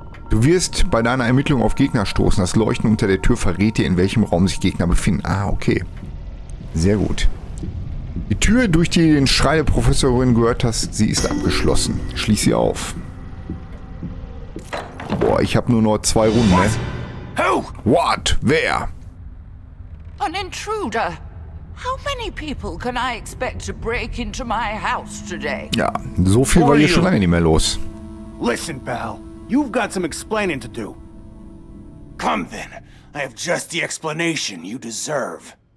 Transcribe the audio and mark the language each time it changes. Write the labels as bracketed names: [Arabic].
[German] Du wirst bei deiner Ermittlung auf Gegner stoßen. Das Leuchten unter der Tür verrät dir, in welchem Raum sich Gegner befinden. Ah, okay. Sehr gut. Die Tür, durch die du den Schrei der Professorin gehört hast, sie ist abgeschlossen. Schließ sie auf. Boah, ich habe nur noch zwei Runden, ne? [English] What? Wer? An Intruder. How many people can I expect to break into my house today? [German] Ja, so viel war hier schon lange nicht mehr los. [English] Listen, pal, you've got some explaining to do. Come then, I have just the explanation you deserve.